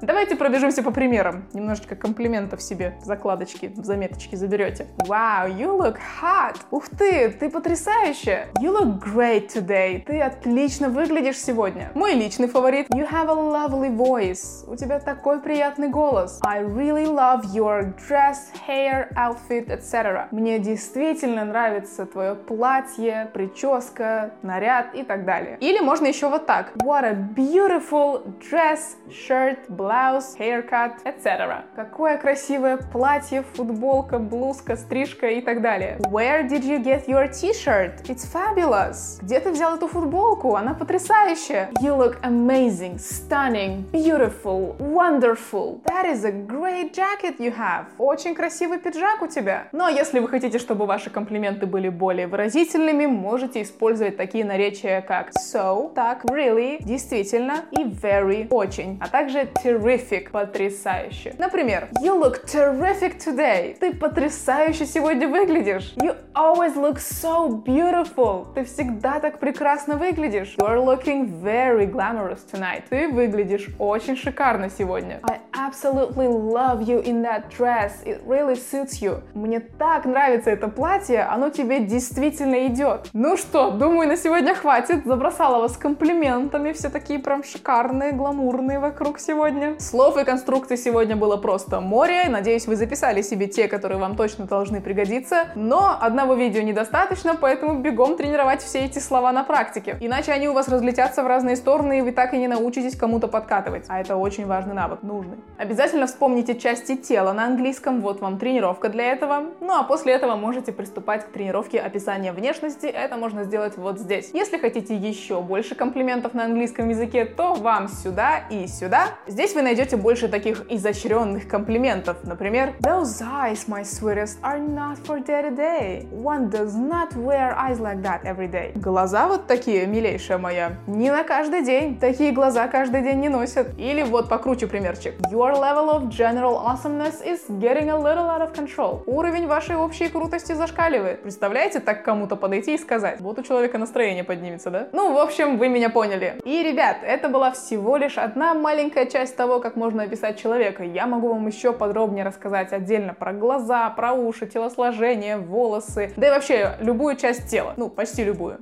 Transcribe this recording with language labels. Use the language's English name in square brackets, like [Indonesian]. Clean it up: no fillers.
[Russian] Давайте пробежимся по примерам. Немножечко комплиментов себе в закладочки, в заметочки заберете. [English] Wow, you look hot. [Russian] Ух ты, ты потрясающая. [English] You look great today. [Russian] Ты отлично выглядишь сегодня. Мой личный фаворит. [English] You have a lovely voice. [Russian] У тебя такой приятный голос. [English] I really love your dress, hair, outfit, etc. [Russian] Мне действительно нравится твое платье, прическа, наряд и так далее. Или можно еще вот так. [English] What a beautiful dress, shirt, blouse, haircut, etc. [Russian] Какое красивое платье, футболка, блузка, стрижка и так далее. [English] Where did you get your t-shirt? It's fabulous. [Russian] Где ты взял эту футболку? Она потрясающая. [English] You look amazing, stunning, beautiful, wonderful. That is a great jacket you have. [Russian] Очень красивый пиджак у тебя. Но если вы хотите, чтобы ваши комплименты были более выразительными, можете использовать такие наречия, как so, так, really, действительно, и very, очень, а также terrific, потрясающе. [English] Например, you look terrific today. [Russian] Ты потрясающе сегодня выглядишь. [English] You always look so beautiful. [Russian] Ты всегда так прекрасно выглядишь. [English] You're looking very glamorous tonight. [Russian] Ты выглядишь очень шикарно сегодня. [English] I absolutely love you in that dress. It really suits you. [Russian] Мне так нравится это платье, оно тебе действительно идет. Ну что, думаю, на сегодня хватит. Забросала вас комплиментами, все такие прям шикарные, гламурные вокруг сегодня. Слов и конструкций сегодня было просто море. Надеюсь, вы записали себе те, которые вам точно должны пригодиться. Но одного видео недостаточно, поэтому бегом тренировать все эти слова на практике. Иначе они у вас разлетятся в разные стороны, и вы так и не научитесь кому-то подкатывать. А это очень важный навык, нужный. Обязательно вспомните части тела на английском, вот вам тренировка для этого. Ну а после этого можете приступать к тренировке описания внешности. Это можно сделать вот здесь. Если хотите еще больше комплиментов на английском языке, то вам сюда и сюда. Здесь вы найдете больше таких изощренных комплиментов. [English] Например, those eyes, my sweetest, are not for daddy day. One does not wear eyes like that every day. [Russian] Глаза вот такие, милейшая моя. Не на каждый день. Такие глаза каждый день не носят. Или вот покруче примерчик. [English] Your level of general awesomeness is getting a little out of control. [Russian] Уровень вашей общей крутости зашкаливает. Представляете, так кому-то подойти и сказать. Вот у человека настроение поднимется, да? Ну, в общем, вы меня поняли. И, ребят, это была всего лишь одна маленькая часть того, как можно описать человека. Я могу вам еще подробнее рассказать отдельно про глаза, про уши, телосложение, волосы, да и вообще любую часть тела. Ну, почти любую.